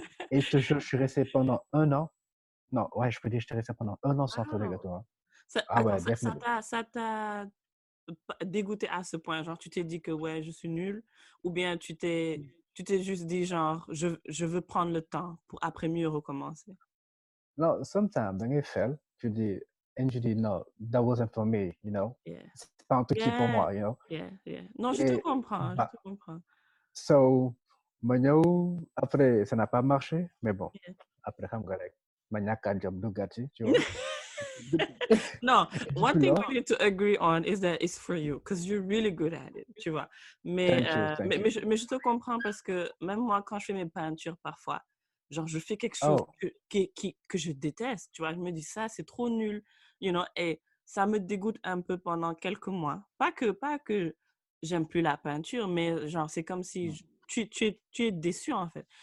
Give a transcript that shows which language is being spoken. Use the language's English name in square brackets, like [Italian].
[French] Et ce jour, je suis resté pendant un an. Non, ouais, je peux dire que j'étais resté pendant un an sans faire de gâteau. Hein. Ça t'a dégoûté à ce point? Genre, tu t'es dit que ouais, je suis nulle? Ou bien tu t'es juste dit genre, je veux prendre le temps pour après mieux recommencer? [English] Non, sometimes, when you fail, [French] tu dis, [English] and you did not, that wasn't for me, you know? Yeah. [French] C'est pas un truc qui est pour moi, [English] you know? Yeah, yeah. [French] Non, je te comprends, je te comprends. So, maintenant, après, ça n'a pas marché, mais bon, après, je suis [English] No, one thing we need to agree on is that it's for you because you're really good at it, [French] tu vois. Mais je te comprends parce que même moi, quand je fais mes peintures parfois, genre je fais quelque chose que je déteste, tu vois. Je me dis ça, c'est trop nul, [English] you know, [French] et ça me dégoûte un peu pendant quelques mois. Pas que j'aime plus la peinture, mais genre c'est comme si tu es déçu en fait.